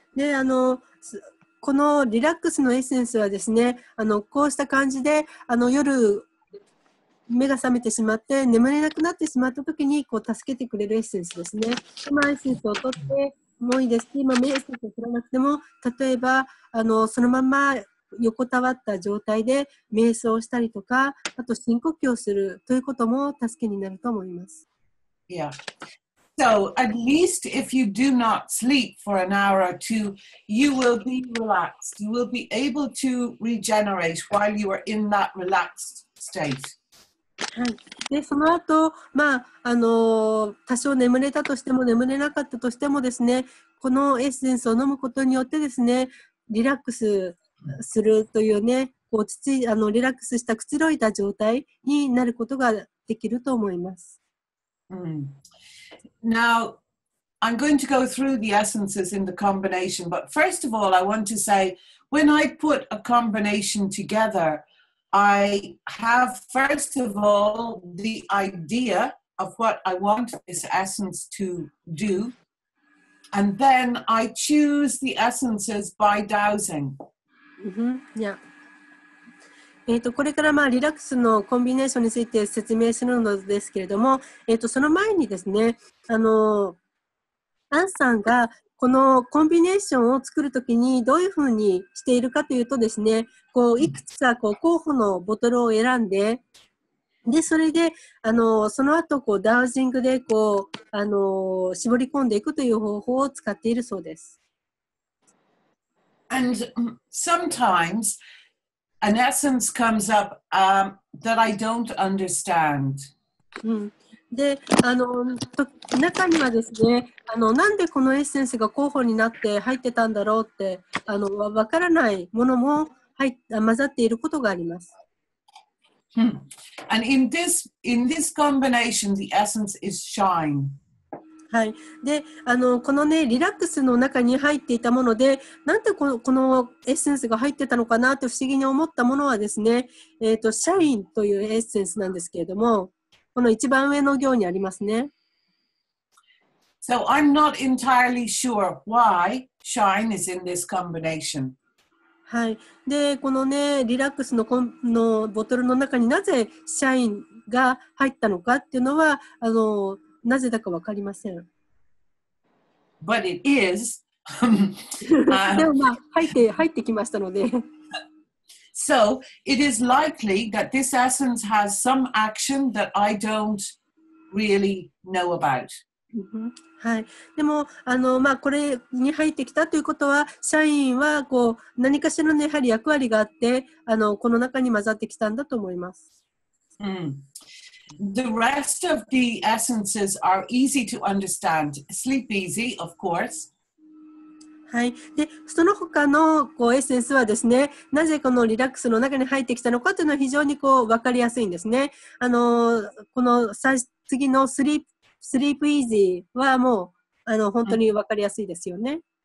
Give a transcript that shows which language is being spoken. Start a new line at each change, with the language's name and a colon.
Japanese: で、このリラックスのエッセンスはですね、こうした感じで、夜目が覚めてしまって眠れなくなってしまった時にこう助けてくれるエッセンスですね。このエッセンスを取って。もういいです。今、メッセージを取らなくても、例えば、そのまま横たわった状態で瞑想したりとか、あと深呼吸をするということも助けになると思います。
English: Yeah. So, at least if you do not sleep for an hour or two, you will be relaxed. You will be able to regenerate while you are in that relaxed state.
Japanese: はい、でその後、まあ多少眠れたとしても眠れなかったとしてもですねこのエッセンスを飲むことによってですねリラックスするというねこうリラックスしたくつろいた状態になることができると思います、 mm.
English: Now I'm going to go through the essences in the combination but first of all I want to say when I put a combination togetherI have, first of all, the idea of what I want this essence to do, and then I choose the essences by dowsing. Mm-hmm. Yeah.
Japanese: これからまあリラックスのコンビネーションについて説明するのですけれども、その前にですね、アンさんがこのコンビネーションを作るときにどういうふうにしているかというとですね、こういくつかこう候補のボトルを選んで、でそれでその後こうダウジングでこう絞り込んでいくという方法を使っているそうです。
English: And sometimes an essence comes up, that I don't understand.
Japanese: で中にはですねなんでこのエッセンスが候補になって入ってたんだろうって分からないものも混ざっていることがあります。 Hmm.
English: And in this combination, the essence is shine.
Japanese: はい。で、このね、リラックスの中に入っていたもので、なんでこのエッセンスが入ってたのかなって不思議に思ったものはですね、シャインというエッセンスなんですけれども、この一番上の行にありますね。
English: So I'm not entirely sure why shine is in this combination.
Japanese: はい。で、このね、リラックスの、のボトルの中になぜシャインが入ったのかっていうのは、あの、なぜだかわかりません。
English: But it is.
Japanese: でもまあ、入ってきましたので。
English: So, it is likely that this essence has some action that I don't really know about.
Japanese: はい。でも、あの、まあ、これに入ってきたということは、社員は、こう、何かしらのやはり役割があって、あの、この中に混ざってきたんだと思います。うん。
English: The rest of the essences are easy to understand. Sleep easy, of course.
Japanese: はい、でその他のこうエッセンスはですね、なぜこのリラックスの中に入ってきたのかというのは非常にこう分かりやすいんですね。あのこの次のスリープイージーはもうあの本当に分かりやすいですよね。